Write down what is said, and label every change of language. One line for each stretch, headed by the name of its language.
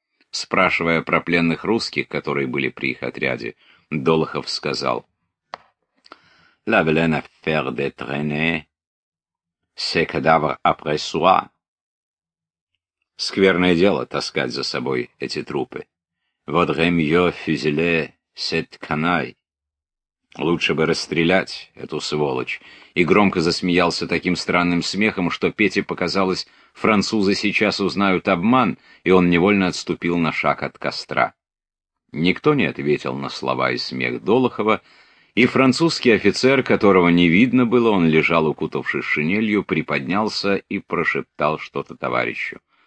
Russian: Спрашивая про пленных русских, которые были при их отряде, Долохов сказал:
French: «La belle affaire de traîner, c'est cadavre après soi».
Russian: Скверное дело таскать за собой эти трупы.
French: «Vaudrait mieux fusiller cette canaille».
Russian: Лучше бы расстрелять эту сволочь. И громко засмеялся таким странным смехом, что Пете показалось, французы сейчас узнают обман, и он невольно отступил на шаг от костра. Никто не ответил на слова и смех Долохова, и французский офицер, которого не видно было, он лежал, укутавшись шинелью, приподнялся и прошептал что-то товарищу.